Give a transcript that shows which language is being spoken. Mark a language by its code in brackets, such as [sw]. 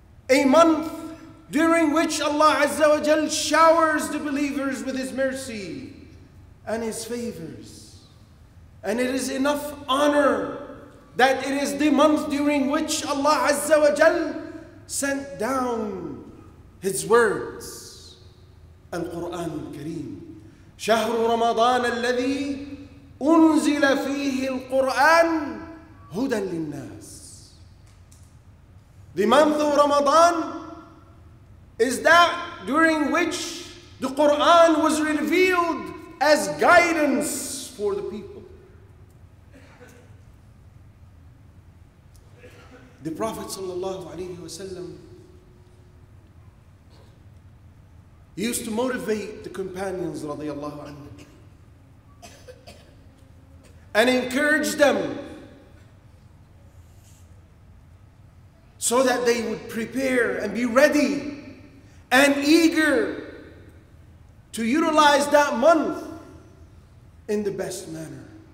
[en] A month during which Allah Azza wa Jal showers the believers with His mercy and His favors. And it is enough honor that it is the month during which Allah Azza wa Jal sent down His words, Al-Quran Kareem. [ar] شهر رمضان الذي أنزل فيه القرآن هدى للناس. [en] The month of Ramadan is that during which the Quran was revealed as guidance for the people. The Prophet [ar] صلى الله عليه وسلم [en] He used to motivate the companions, radiallahu anhu, and encourage them so that they would prepare and be ready and eager to utilize that month in the best manner.